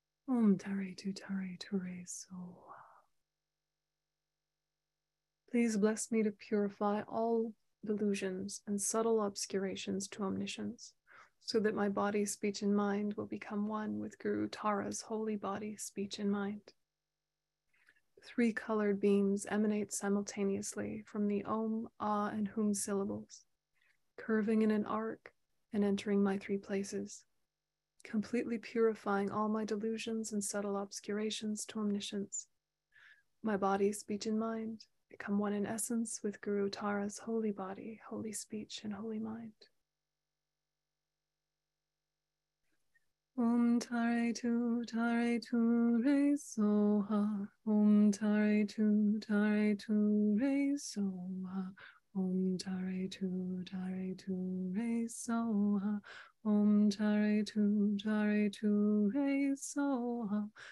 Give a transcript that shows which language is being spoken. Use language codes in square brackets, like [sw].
[sa] Om Tare Tu Tare Tu Re Soha. [en] Please bless me to purify all delusions and subtle obscurations to omniscience, so that my body, speech, and mind will become one with Guru Tara's holy body, speech, and mind. Three colored beams emanate simultaneously from the Om, Ah, and Hum syllables, curving in an arc and entering my three places, completely purifying all my delusions and subtle obscurations to omniscience. My body, speech, and mind become one in essence with Guru Tara's holy body, holy speech, and holy mind. [sa] Om Tare Tu Tare Tu Re Soha. Om Tare Tu Tare Tu Re Soha. Om Tare Tu Tare Tu Re Soha. Om Tare Tu Tare Tu Re Soha.